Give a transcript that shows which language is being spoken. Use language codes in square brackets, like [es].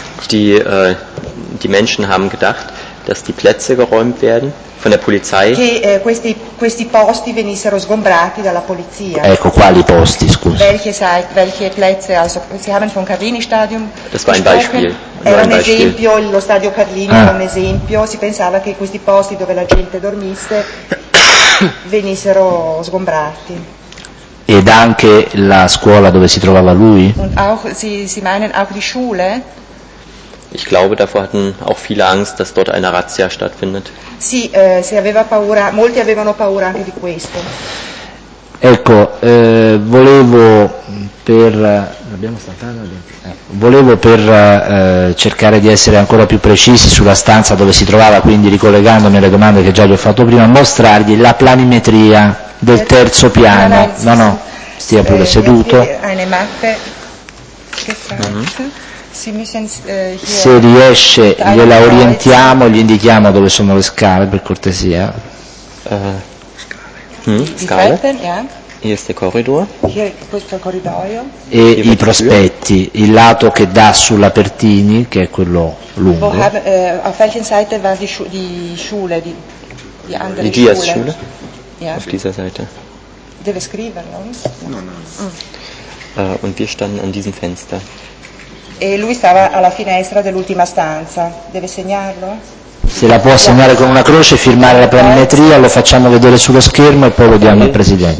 [de] Die Menschen haben gedacht, dass die Plätze geräumt werden von der Polizei. [it] Che questi posti venissero sgombrati dalla polizia. Ecco, quali posti, scusa. [de] Welche Plätze, also Sie haben von Carlini Stadium. Das war ein Beispiel. [it] Era un esempio, lo stadio Carlini era un esempio. Si pensava che questi posti dove la gente dormisse venissero sgombrati. Ed anche la scuola dove si trovava lui? [de] Und auch, Sie meinen auch die Schule? Ich glaube, davor hatten auch viele Angst, dass dort eine Razzia stattfindet. [it] Sì, si aveva paura, molti avevano paura anche di questo. Ecco, volevo per l'abbiamo stampato. Volevo per cercare di essere ancora più precisi sulla stanza dove si trovava, quindi ricollegandomi alle domande che già gli ho fatto prima, mostrargli la planimetria del terzo piano. No, no, stia pure seduto. [de] Eine Mappe. [it] Se riesce gliela orientiamo, gli indichiamo dove sono le scale per cortesia. [de] Scale. Hier ist der Korridor. [it] Questo corridoio. E i prospetti, il lato che dà sulla Pertini, che è quello lungo. [de] Auf welcher Seite war die Schule, die andere Schule? Die Dias Schule. Auf dieser Seite. [it] Deve scriverlo. [de] Und wir standen an diesem Fenster. [it] E lui stava alla finestra dell'ultima stanza. Deve segnarlo? Se la può segnare con una croce, firmare la planimetria, lo facciamo vedere sullo schermo e poi lo diamo al presidente.